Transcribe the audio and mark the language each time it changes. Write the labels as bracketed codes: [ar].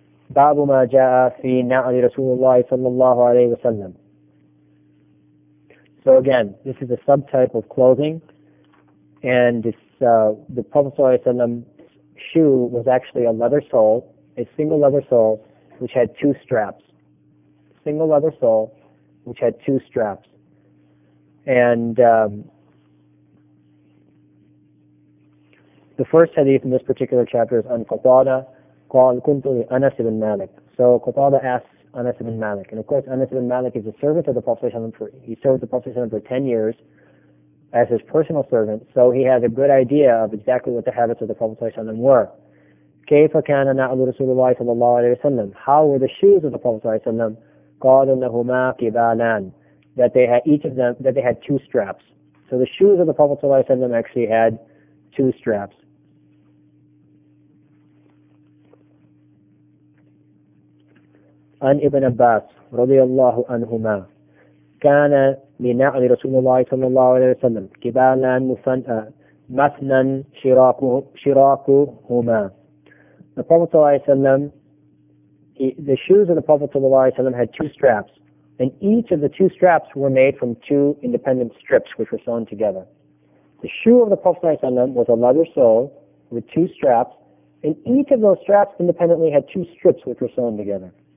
[ar] باب ما جاء في نعل رسول الله صلى الله عليه وسلم. [en] So again, this is a subtype of clothing, and it's, the Prophet صلى الله عليه وسلم's shoe was actually a leather sole, a single leather sole, which had two straps. Single leather sole, which had two straps. And the first hadith in this particular chapter is on Qatada. [ar] قال كنت لأنس بن مالك. [en] So Qatada asks Anas ibn Malik. And of course, Anas ibn Malik is a servant of the Prophet ﷺ. He served the Prophet ﷺ for 10 years as his personal servant, so he has a good idea of exactly what the habits of the Prophet ﷺ were. [ar] كيف كان نعل رسول الله صلى الله عليه وسلم. [en] How were the shoes of the Prophet ﷺ? [ar] قال لهما قبالان. [en] That they had each of them, that they had two straps. So the shoes of the Prophet ﷺ actually had two straps. [ar] عن ابن عباس رضي الله عنهما كان لنعل رسول الله صلى الله عليه وسلم قبالا مثنى شراكهما. [en] The Prophet صلى الله عليه وسلم, the shoes of the Prophet صلى الله عليه وسلم had two straps, and each of the two straps were made from two independent strips which were sewn together. The shoe of the Prophet صلى الله عليه وسلم was a leather sole with two straps, and each of those straps independently had two strips which were sewn together.